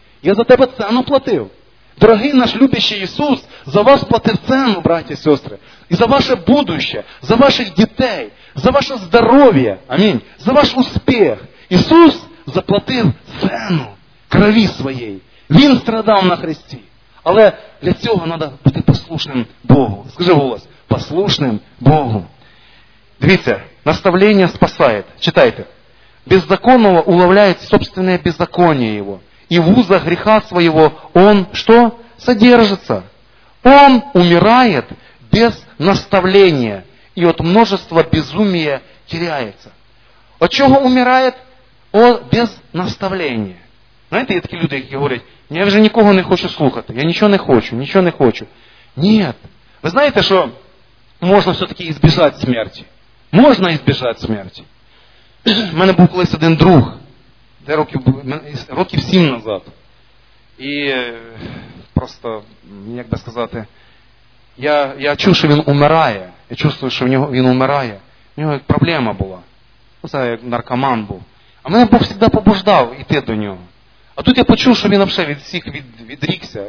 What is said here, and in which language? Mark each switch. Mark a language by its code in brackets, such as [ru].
[uk] Я за тебе ціну платив. Дорогий наш любящий Ісус, за вас платив ціну, браті і сестри. І за ваше будуще, за ваших дітей, за ваше здоров'я, амінь, за ваш успіх. Ісус заплатив ціну крові своєї. Він страдав на хресті. Але для цього треба бути послушним Богу. Скажи голос, послушним Богу. Дивіться, наставлення спасає. Читайте. Беззаконного уловляють собственне беззаконие його. [ru] И в узах греха своего он, что, содержится? Он умирает без наставления, и от множества безумия теряется. От чего умирает? Он без наставления. Знаете, есть такие люди, которые говорят, я уже никого не хочу слушать, я ничего не хочу. Нет. Вы знаете, что можно все-таки избежать смерти? Можно избежать смерти. У меня был когда-то один друг, [uk] це років 7 назад. І просто, як би сказати, я чув, що він умирає. Я чувствую, що в нього він умирає. У нього як проблема була. Це як наркоман був. А мене Бог завжди побуждав іти до нього. А тут я почув, що він взагалі від всіх відрікся.